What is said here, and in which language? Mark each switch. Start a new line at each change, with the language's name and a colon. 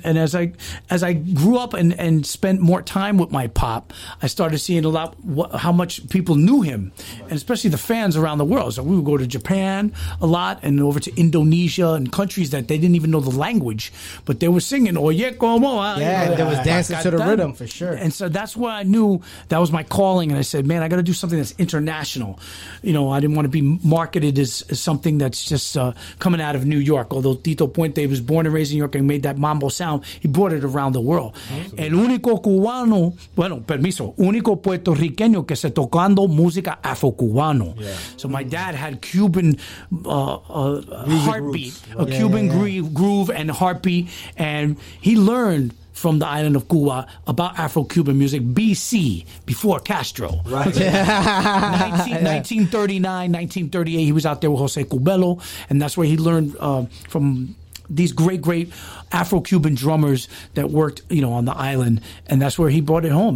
English: And as I grew up and spent more time with my pop, I started seeing a lot how much people knew him, and especially the fans around the world. So we would go to Japan a lot and over to Indonesia and countries that they didn't even know the language, but they were singing Oye Como. Yeah, you know, and they was dancing to the rhythm for sure. And so that's where I knew that was my calling, and I said, man, I got to do something that's international. You know, I didn't want to be marketed as something that's just coming out of New York, although Tito Puente was born and raised in New York and made that Mambo sound. He brought it around the world.
Spanish: El único cubano, bueno, permiso, único puertorriqueño que se tocando música afro-cubano.
English: Yeah. So my dad had Cuban heartbeat, groove and heartbeat, and he learned from the island of Cuba about Afro-Cuban music, BC, before Castro. Right. 1939, 1938, he was out there with Jose Cubello, and that's where he learned from these great, great Afro-Cuban drummers that worked, you know, on the island, and that's where he brought it home.